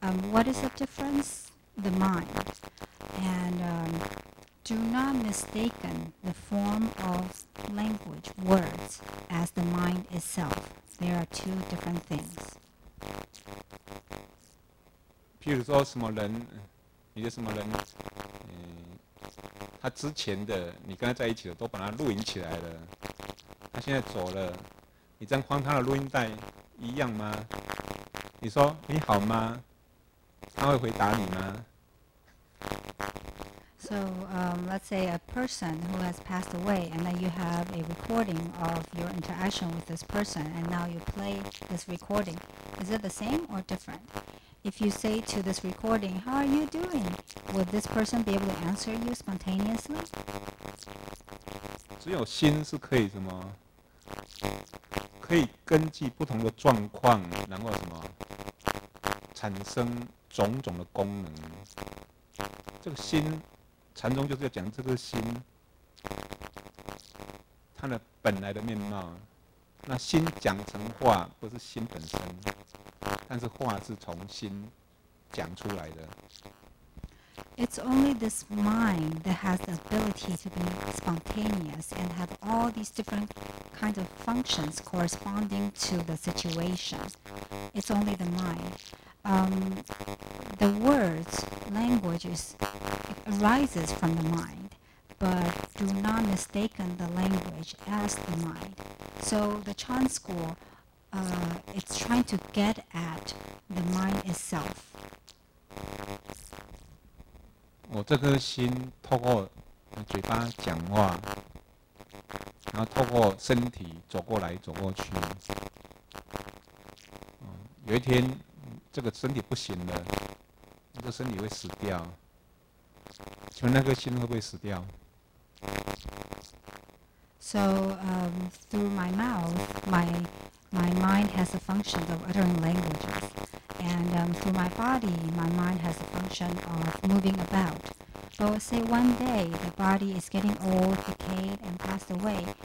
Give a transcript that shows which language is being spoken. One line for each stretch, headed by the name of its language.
English: What is the difference? The mind. And do not mistake the form of language, words, as the mind itself. There are two different things.
Chinese: 譬如说什么人，你的什么人，他之前的你跟他在一起的都把他录音起来了，他现在走了，你这样放他的录音带一样吗？你说你好吗？他会回答你吗？
English: So, let's say a person who has passed away, and then you have a recording of your interaction with this person, and now you play this recording. Is it the same or different? If you say to this recording, "How are you doing?" Would this person be able to answer you spontaneously?
Chinese: 只有心是可以什么？可以根据不同的状况，然后什么产生种种的功能。这个心。禅宗就是要讲这个心，它的本来的面貌。那心讲成话，不是心本身，但是话是从心讲出来的。
English: It's only this mind that has the ability to be spontaneous and have all these different kinds of functions corresponding to the situation. It's only the mind. The words, language, arises from the mind, but do not mistake the language as the mind. So the Chan school, it's trying to get at the mind itself.
Chinese: 我这颗心透过嘴巴讲话，然后透过身体走过来走过去。有一天。这个身体不行了，这个身体会死掉。请问那个心会不会死掉
English: ？So through my mouth, my mind has the function of uttering languages, and through my body, my mind has the function of moving about. But say one day the body is getting old, decayed, and passed away.